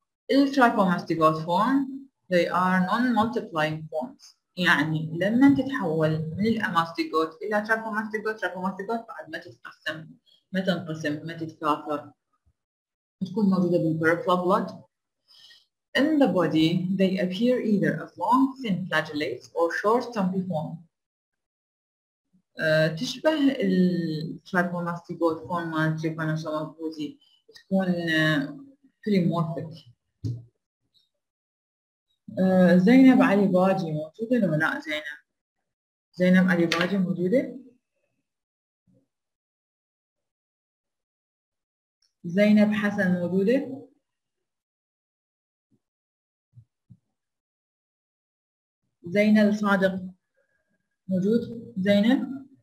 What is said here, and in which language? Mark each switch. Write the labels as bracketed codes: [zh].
[ar] الترايبوماستيغوت فورم [en] they are non-multiplying forms [ar] يعني لما تتحول من الأماستيغوت إلى ترايبوماستيغوت بعد ما تتقسم ما تتكاثر تكون موجودة بالبيرفلو بلود. [en] In the body, they appear either as long thin flagellates or short stumpy form. [ar] تشبه الترايبوماستيغوت فورم مال التريبانوسوم البوزي تكون بوليمورفيك. زينب علي باجي موجودة ولا لا زينب؟ زينب علي باجي موجودة؟ زينب حسن موجودة؟ زينب صادق موجود؟ زينب؟